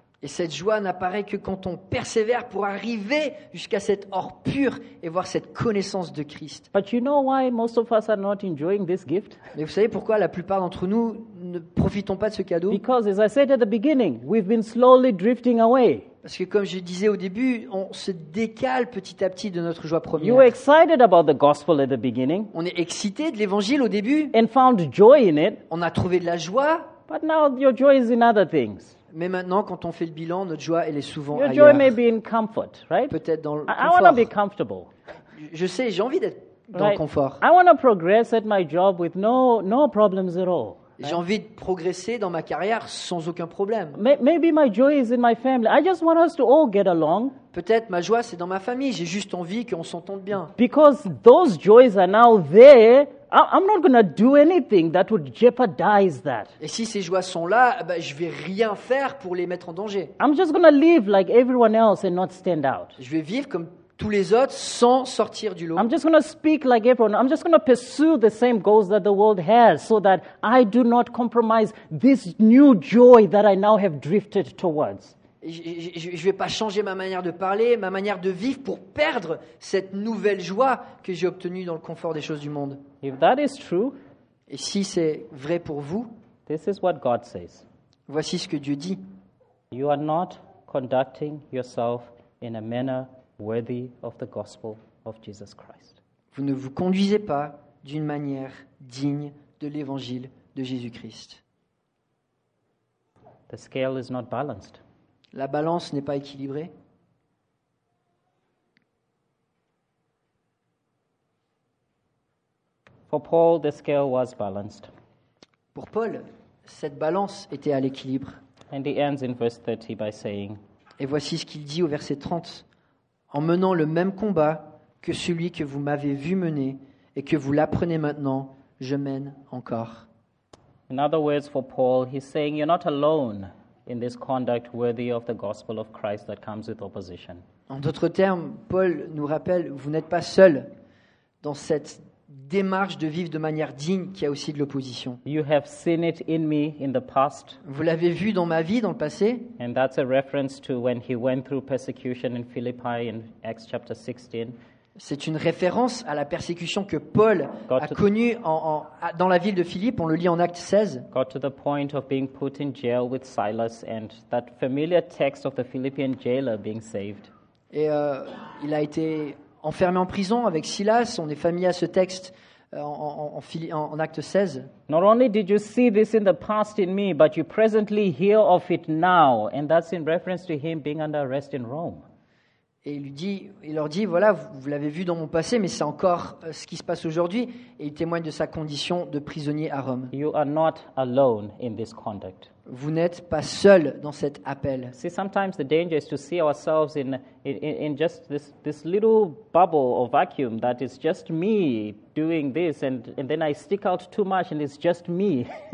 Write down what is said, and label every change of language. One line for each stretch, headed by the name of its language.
French: Et cette joie n'apparaît que quand on persévère pour arriver jusqu'à cet or pur et voir cette connaissance de Christ.
English: But you know why most of us are not enjoying this gift?
French: Mais vous savez pourquoi la plupart d'entre nous ne profitons pas de ce cadeau?
English: Because as I said at the beginning, we've been slowly drifting away.
French: Parce que comme je disais au début, on se décale petit à petit de notre joie première.
English: You were excited about the gospel at the beginning.
French: On est excité de l'évangile au début.
English: And found joy in it.
French: On a trouvé de la joie.
English: But now your joy is in other things.
French: Mais maintenant, quand on fait le bilan, notre joie, elle est souvent
English: your
French: ailleurs.
English: Joy may be in comfort, right?
French: Peut-être dans le confort.
English: I want to be comfortable.
French: Je sais, j'ai envie d'être dans
English: right?
French: le confort.
English: I want to progress at my job with no problems at all.
French: J'ai
English: right?
French: envie de progresser dans ma carrière sans aucun problème.
English: Maybe my joy is in my family. I just want us to all get along.
French: Peut-être ma joie, c'est dans ma famille. J'ai juste envie qu'on s'entende bien.
English: Because those joys are now there. I'm not going to do anything that would jeopardize that.
French: Et si ces joies sont là, ben je vais rien faire pour les mettre en danger.
English: I'm just going to live like everyone else and not stand out.
French: Je vais vivre comme tous les autres sans sortir du lot.
English: I'm just going to speak like everyone. I'm just going to pursue the same goals that the world has so that I do not compromise this new joy that I now have drifted towards.
French: Je ne vais pas changer ma manière de parler, ma manière de vivre pour perdre cette nouvelle joie que j'ai obtenue dans le confort des choses du monde.
English: If that is true,
French: et si c'est vrai pour vous,
English: this is what God says.
French: Voici ce que Dieu dit.
English: You are not conducting yourself in a manner worthy of the gospel of Jesus Christ.
French: Vous ne vous conduisez pas d'une manière digne de l'évangile de Jésus-Christ.
English: The scale is not balanced.
French: La balance n'est pas équilibrée.
English: For Paul, the scale was balanced.
French: Pour Paul, cette balance était à l'équilibre.
English: And he ends in verse 30 by saying,
French: et voici ce qu'il dit au verset 30. En menant le même combat que celui que vous m'avez vu mener et que vous l'apprenez maintenant, je mène encore.
English: In other words, for Paul, he's saying you're not alone in this conduct worthy of the gospel of Christ that comes with opposition.
French: En d'autres termes, Paul nous rappelle, vous n'êtes pas seul dans cette démarche de vivre de manière digne qui a aussi de l'opposition.
English: You have seen it in me in the past.
French: Vous l'avez vu dans ma vie, dans le passé.
English: And that's a reference to when he went through persecution in Philippi in Acts chapter 16.
French: C'est une référence à la persécution que Paul a connue dans la ville de Philippe, on le lit en Actes 16.
English: Got to the point of being put in jail with Silas and that familiar text of the Philippian jailer being saved.
French: Et il a été enfermé en prison avec Silas, on est familier à ce texte en Actes 16.
English: Not only did you see this in the past in me, but you presently hear of it now, and that's in reference to him being under arrest in Rome.
French: Et il leur dit, voilà, vous l'avez vu dans mon passé, mais c'est encore ce qui se passe aujourd'hui. Et il témoigne de sa condition de prisonnier à Rome.
English: You are not alone in this conduct.
French: Vous n'êtes pas seul dans cet appel.
English: See, sometimes the danger is to see ourselves in just this little bubble or vacuum that is just me doing this, and then I stick out too much, and it's just me.